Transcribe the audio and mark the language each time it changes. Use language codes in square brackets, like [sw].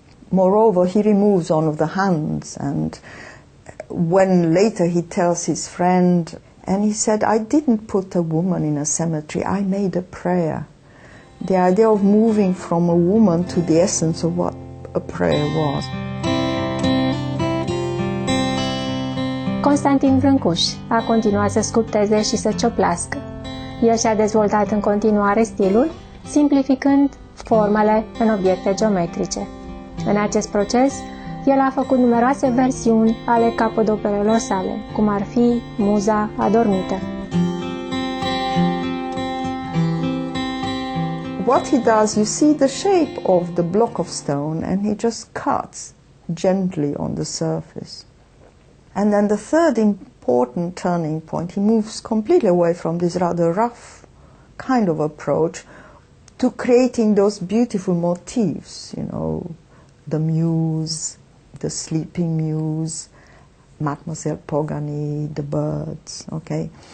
[en] Moreover, he removes one of the hands, and when later he tells his friend, and he said, I didn't put a woman in a cemetery, I made a prayer. The idea of moving from a woman to the essence of what a prayer was. [ro] Constantin Brâncuși a continuat să sculpteze și să cioplească. El și-a dezvoltat în continuare stilul, simplificând formele în obiecte geometrice. În acest proces, el a făcut numeroase versiuni ale capodoperelor sale, cum ar fi Muza adormită. [en] What he does, you see the shape of the block of stone and he just cuts gently on the surface. And then the third important turning point, he moves completely away from this rather rough kind of approach to creating those beautiful motifs, you know, the muse, the sleeping muse, Mademoiselle Pogani, the birds, okay?